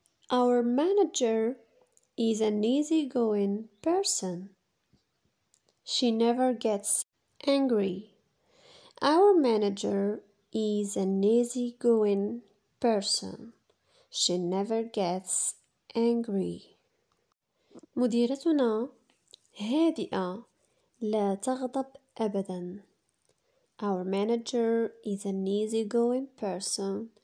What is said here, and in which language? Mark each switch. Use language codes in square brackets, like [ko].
[en] Our manager is an easygoing person. She never gets angry. Our manager is an easygoing person. She never gets angry. [ar] مديرتنا هادئة لا تغضب أبدا. [en] Our manager is an easygoing person.